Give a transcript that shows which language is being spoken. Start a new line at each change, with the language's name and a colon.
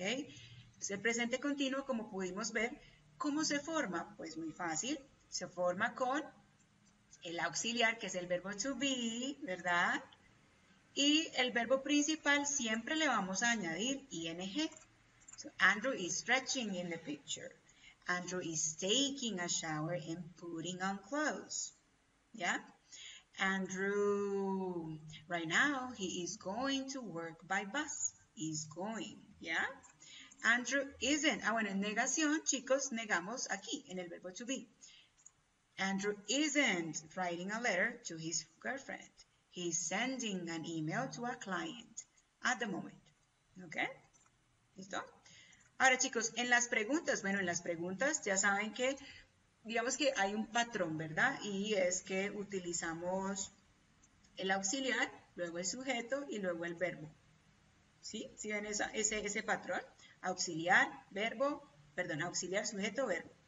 Spanish: Entonces, el presente continuo, como pudimos ver, ¿cómo se forma? Pues muy fácil, se forma con el auxiliar, que es el verbo to be, ¿verdad? Y el verbo principal siempre le vamos a añadir ing.
English: So, Andrew is stretching in the picture. Andrew is taking a shower and putting on clothes. Yeah? Andrew, right now, he is going to work by bus. He's going. Yeah? Andrew isn't.
Spanish: Ah, bueno, en negación, chicos, negamos aquí en el verbo to be.
English: Andrew isn't writing a letter to his girlfriend. He's sending an email to a client at the moment.
Spanish: ¿Ok? ¿Listo? Ahora, chicos, en las preguntas, bueno, en las preguntas ya saben que, digamos que hay un patrón, ¿verdad? Y es que utilizamos el auxiliar, luego el sujeto y luego el verbo. ¿Sí? ¿Sí ven ese patrón? Auxiliar, verbo, perdón, auxiliar, sujeto, verbo.